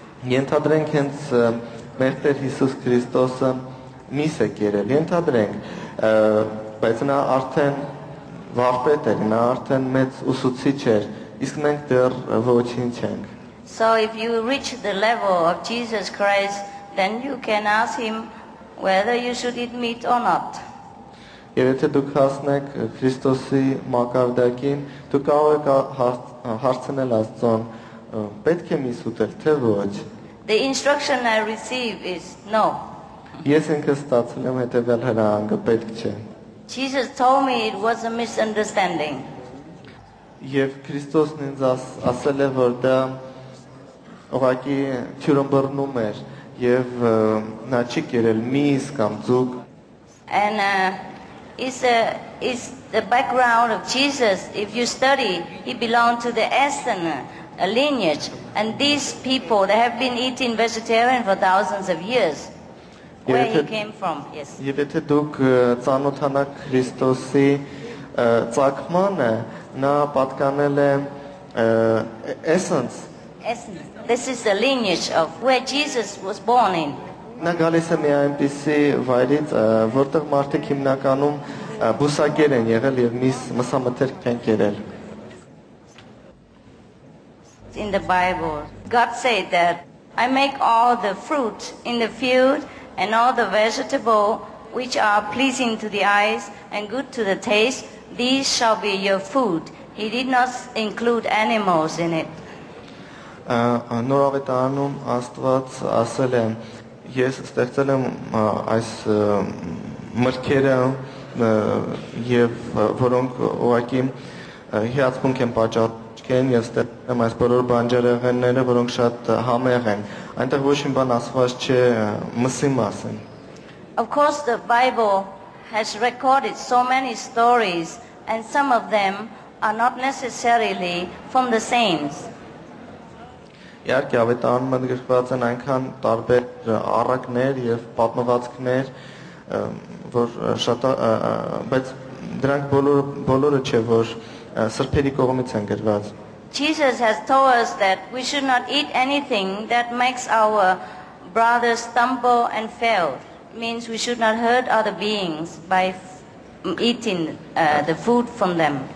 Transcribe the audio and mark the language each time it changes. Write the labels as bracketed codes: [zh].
[hy] Ենթադրենք հենց մեղտեր Հիսուս Քրիստոսը միս է կերել, ենթադրենք, բայց նա արդեն վաղպետ էր, նա արդեն մեծ ուսուցիչ էր, իսկ մենք դեռ ոչինչ ենք։ [en] So if you reach the level of Jesus Christ, then you can ask him whether you should eat meat or not. [hy] Եվ եթե դուք հասնեք Քրիստոսի մակարդակին, դուք կարող եք հարցնել Աստծոն, պետք է միս ուտել, թե ոչ։ [en] The instruction I receive is no. [hy] Ես ինքս ստացել եմ հետևյալ հրահանգը, պետք չէ։ [en] Jesus told me it was a misunderstanding. [hy] Եվ Քրիստոսն ինձ ասել է, որ դա ուղղակի թյուրըմբռնում էր եւ նա չի կերել միս կամ ձուկ։ [en] And it's the background of Jesus. If you study, he belonged to the Essene lineage, and these people they have been eating vegetarian for thousands of years. Where he came from, yes. [hy] Եվ եթե դուք ծանոթանաք Քրիստոսի ծագմանը, նա պատկանել է [en] Essence. This is the lineage of where Jesus was born in. [hy] Նա գալիս է մի այնպիսի վայրից, որտեղ մարդիկ հիմնականում բուսակեր են եղել եւ միս մսամթերք են կերել. [en] In the Bible, God said that I make all the fruit in the field and all the vegetable which are pleasing to the eyes and good to the taste, these shall be your food. He did not include animals in it. [hy] Նորավետարանում Աստված ասել է, ես ստեղծել եմ այս մրգերը եւ որոնք ուղղակի հիացմունք են պատճառում, ես ստեղծել եմ այս բոլոր բանջարեղենները, որոնք շատ համեղ են։ Այնտեղ ոչ մի բան ասված չէ մսի մասին։ [en] Of course the Bible has recorded so many stories and some of them are not necessarily from the saints. [hy] Իհարկե Ավետարանում գրված են այնքան տարբեր առակներ եւ պատմվածքներ, որ շատ, բայց դրանք բոլորը չէ, որ սրբերի կողմից են գրված։ [en] Jesus has told us that we should not eat anything that makes our brothers stumble and fail. It means we should not hurt other beings by eating the food from them.